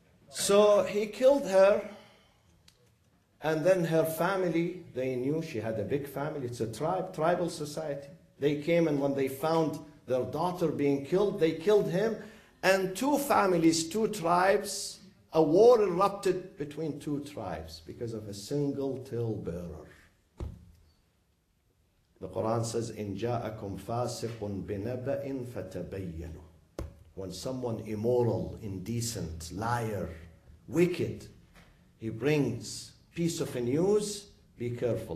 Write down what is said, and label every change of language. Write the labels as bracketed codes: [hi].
[en] So he killed her. And then her family, they knew she had a big family. It's a tribe, tribal society. They came and when they found their daughter being killed, they killed him. And two families, two tribes, a war erupted between two tribes because of a single tail bearer. The Quran says, [ar] إِن جَاءَكُمْ فَاسِقٌ بِنَبَأٍ فَتَبَيَّنُوا. [en] When someone immoral, indecent, liar, wicked, he brings piece of news, be careful.